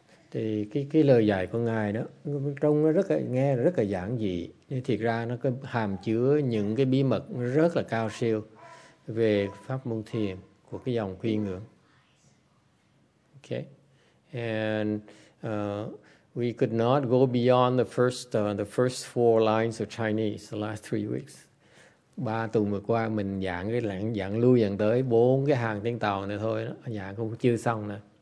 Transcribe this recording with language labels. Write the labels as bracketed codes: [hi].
[vi] Thì cái lời dạy của Ngài đó trông nó rất là, nghe rất là giản dị, nhưng thiệt ra nó có hàm chứa những cái bí mật rất là cao siêu về pháp môn thiền của cái dòng quy ngưỡng. [en] Okay. And we could not go beyond the first four lines of Chinese the last three weeks. [vi] Ba tuần vừa qua mình giảng cái lãng giảng lưu dần tới bốn cái hàng tiếng Tàu này thôi đó, giảng cũng chưa xong nè.